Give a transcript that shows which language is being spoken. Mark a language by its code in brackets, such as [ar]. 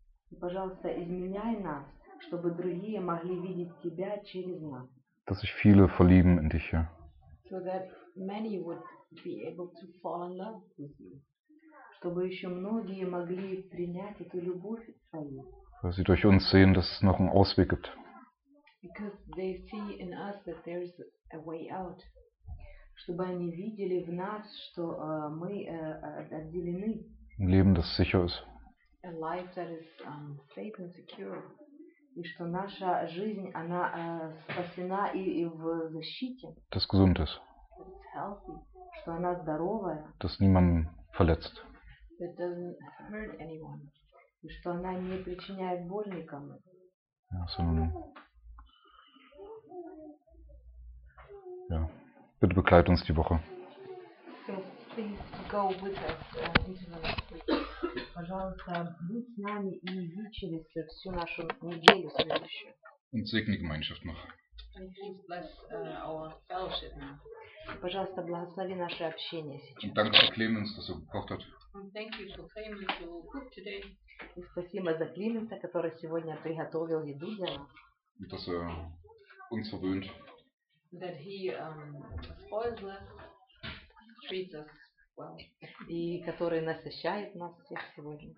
[ru] И, пожалуйста, изменяй нас, чтобы другие могли видеть тебя через нас. [de] Dass sich viele verlieben in dich, Herr. [en] So that many would be able to fall in love with you. [ru] Чтобы еще многие могли принять эту любовь твою. [de] Weil sie durch uns sehen, dass es noch einen Ausweg gibt. [en] Because they see in us that there is a way out. [ru] Чтобы они видели в нас, что мы отделены. [de] Ein Leben, das sicher ist. [en] A life that is safe and secure. [ru] И что наша жизнь, она спасена и в защите. [de] Das gesund ist. [en] That it's healthy. [ru] Что она здоровая. [de] Das niemanden verletzt. [en] That doesn't hurt anyone. [ru] И что она не причиняет боль никому. [de] Ja, sondern... ja. Bitte begleite uns die Woche. [en] So, please go with us into the next week. [ru] Пожалуйста, будь с нами и иди через всю нашу неделю следующую. [de] Und segne Gemeinschaft noch. [en] And please bless our fellowship now. [ru] Пожалуйста, благослови наше общение сейчас. [de] Und danke für Clemens, dass er gekocht hat. [en] And thank you for Clemens who cooked today. [ru] И спасибо за Клеменса, который сегодня приготовил еду для нас. [de] И dass er uns verwöhnt. [en] That he spoils us, treats us. [ru] И который насыщает нас всех сегодня.